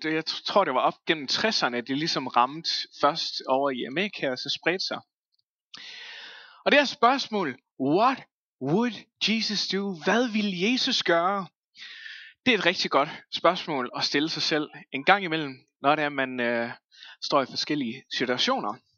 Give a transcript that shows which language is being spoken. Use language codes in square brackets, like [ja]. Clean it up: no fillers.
[da] Jeg tror, det var op gennem 60'erne, det ligesom ramte først over i Amerika, og så spredte sig. Og det her spørgsmål, [en] what would Jesus do? [da] Hvad vil Jesus gøre? Det er et rigtig godt spørgsmål at stille sig selv en gang imellem, når det er, at man står i forskellige situationer.